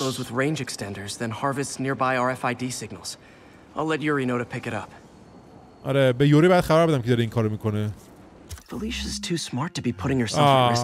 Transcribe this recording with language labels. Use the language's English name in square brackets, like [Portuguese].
[English] Those with range extenders then harvests nearby RFID signals. I'll let Yuri know to pick it up. [Persian] آره به یوری بعد خبر بدم که داره این کارو میکنه. [English] Felicia's too smart to be putting herself at risk.